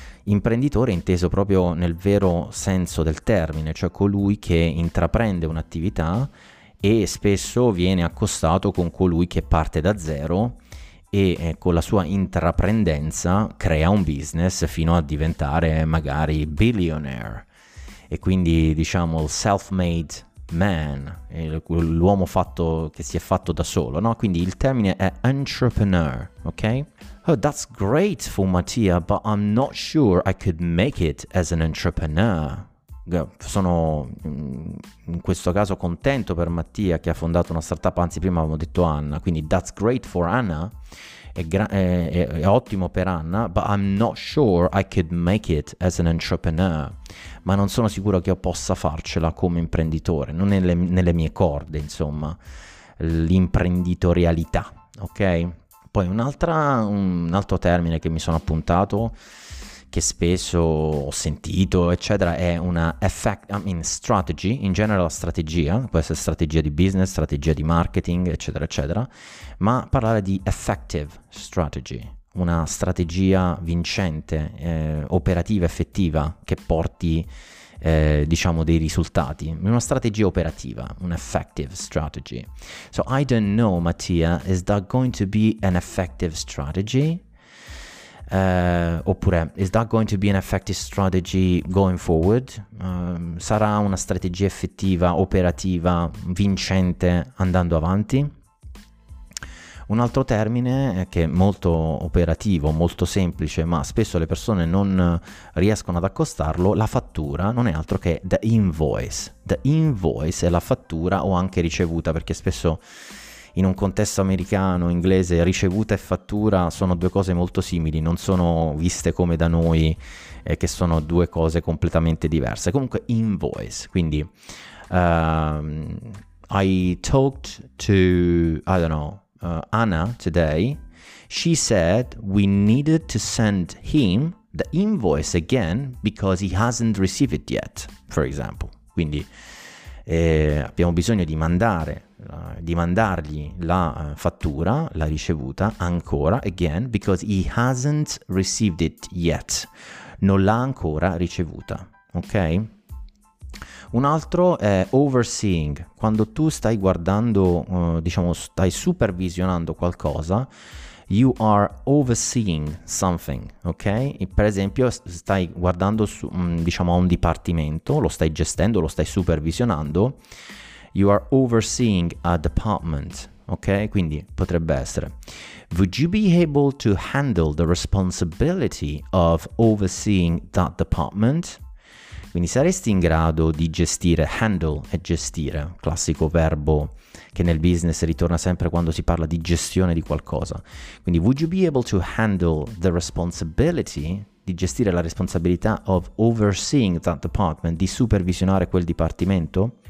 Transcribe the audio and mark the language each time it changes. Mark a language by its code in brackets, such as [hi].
[it] Imprenditore inteso proprio nel vero senso del termine, cioè colui che intraprende un'attività e spesso viene accostato con colui che parte da zero e con la sua intraprendenza crea un business fino a diventare magari billionaire. E quindi diciamo il self-made man, l'uomo fatto che si è fatto da solo, no? Quindi il termine è entrepreneur, ok? [en] Oh, that's great for Mattia, but I'm not sure I could make it as an entrepreneur. [it] Sono in questo caso contento per Mattia che ha fondato una startup, anzi prima avevamo detto Anna, quindi [en] that's great for Anna, [it] è ottimo per Anna, [en] but I'm not sure I could make it as an entrepreneur, [it] ma non sono sicuro che io possa farcela come imprenditore, non nelle mie corde, insomma, l'imprenditorialità, ok? Poi un altro termine che mi sono appuntato, che spesso ho sentito, eccetera, è una strategy, in genere la strategia, può essere strategia di business, strategia di marketing, eccetera, eccetera, ma parlare di effective strategy, una strategia vincente, operativa, effettiva, che porti, diciamo, dei risultati, una strategia operativa, un effective strategy. [en] So I don't know, Mattia, is that going to be an effective strategy? Oppure is that going to be an effective strategy going forward? [it] Sarà una strategia effettiva, operativa, vincente andando avanti? Un altro termine che è molto operativo, molto semplice, ma spesso le persone non riescono ad accostarlo, la fattura non è altro che the invoice. The invoice è la fattura o anche ricevuta, perché spesso in un contesto americano, inglese, ricevuta e fattura sono due cose molto simili, non sono viste come da noi, che sono due cose completamente diverse. Comunque, [en] invoice, quindi I talked to, Anna today, she said we needed to send him the invoice again because he hasn't received it yet, for example. [it] Quindi abbiamo bisogno di mandare, di mandargli la fattura, la ricevuta, ancora, [en] again, because he hasn't received it yet. [it] Non l'ha ancora ricevuta, ok? Un altro è overseeing. Quando tu stai guardando, diciamo, stai supervisionando qualcosa, [en] you are overseeing something, [it] ok? E per esempio stai guardando, su, diciamo, a un dipartimento, lo stai gestendo, lo stai supervisionando, [en] you are overseeing a department, [it] ok? Quindi potrebbe essere: [en] would you be able to handle the responsibility of overseeing that department? [it] Quindi saresti in grado di gestire, handle e gestire, classico verbo che nel business ritorna sempre quando si parla di gestione di qualcosa. [en] Quindi would you be able to handle the responsibility, [it] di gestire la responsabilità [en] of overseeing that department, [it] di supervisionare quel dipartimento?